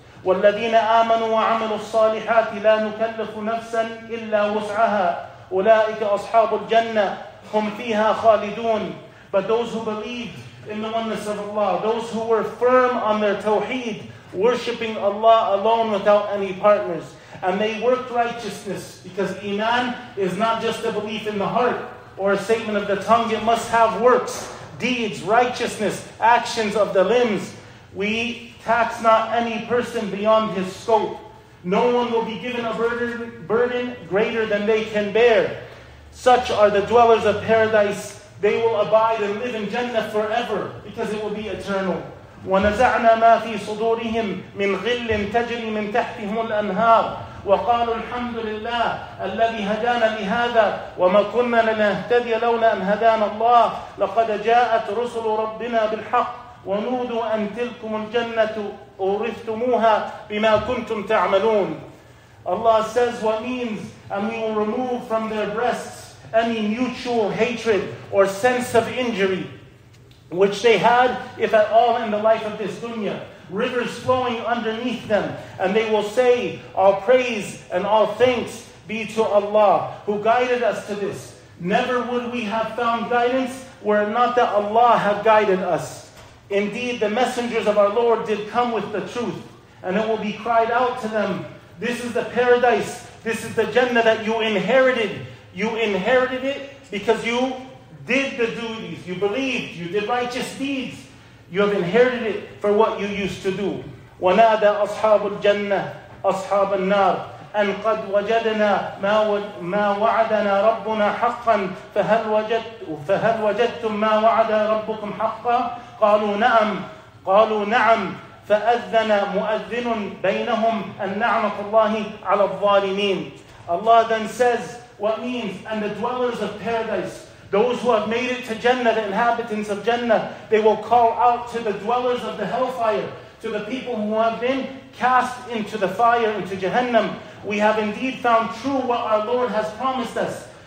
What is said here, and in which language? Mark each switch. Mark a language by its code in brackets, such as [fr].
[ar] والذين آمنوا وعملوا الصالحات لا نكلف نفسا إلا وسعها أولئك أصحاب الجنة هم فيها خالدون [en] But those who believed in the oneness of Allah, those who were firm on their tawheed, worshipping Allah alone without any partners, and they worked righteousness, because iman is not just a belief in the heart or a statement of the tongue, it must have works, deeds, righteousness, actions of the limbs. We tax not any person beyond his scope. No one will be given a burden greater than they can bear. Such are the dwellers of paradise, They will abide and live in Jannah forever because it will be eternal. [ar] وَنَزَعْنَا مَا فِي صُدُورِهِمْ مِنْ غِلٍّ تَجْرِي مِنْ تَحْتِهِمُ الْأَنْهَارُ وَقَالُوا الْحَمْدُ لِلَّهِ الَّذِي هَدَانَا لِهَذَا وَمَا كُنَّا لِنَهْتَدِيَ لَوْلَا أَنْ هَدَانَا اللَّهُ لَقَدْ جَاءَتْ رُسُلُ رَبِّنَا بِالْحَقِّ وَنُودُوا أَنْ تِلْكُمُ الْجَنَّةُ أُورِثْتُمُوهَا بِمَا كُنْتُمْ تَعْمَلُونَ [en] Allah says what means and we will remove from their breasts any mutual hatred or sense of injury which they had, if at all, in the life of this dunya. Rivers flowing underneath them. And they will say, all praise and all thanks be to Allah who guided us to this. Never would we have found guidance were it not that Allah had guided us. Indeed, the messengers of our Lord did come with the truth. And it will be cried out to them, this is the paradise, this is the Jannah that you inherited. You inherited it because you did the duties. You believed. You did righteous deeds. You have inherited it for what you used to do. [ar] وَنَادَى أَصْحَابُ الْجَنَّةِ أَصْحَابَ النَّارِ أن قد وجدنا ما وعدنا ربنا حقا فهل وجدتم ما وعد ربكم حقا؟ قالوا نعم. فأذن مؤذن بينهم أن نعمة الله على الظالمين. [en] Allah then says what means, and the dwellers of paradise, those who have made it to Jannah, the inhabitants of Jannah, they will call out to the dwellers of the hellfire, to the people who have been cast into the fire, into Jahannam. We have indeed found true what our Lord has promised us.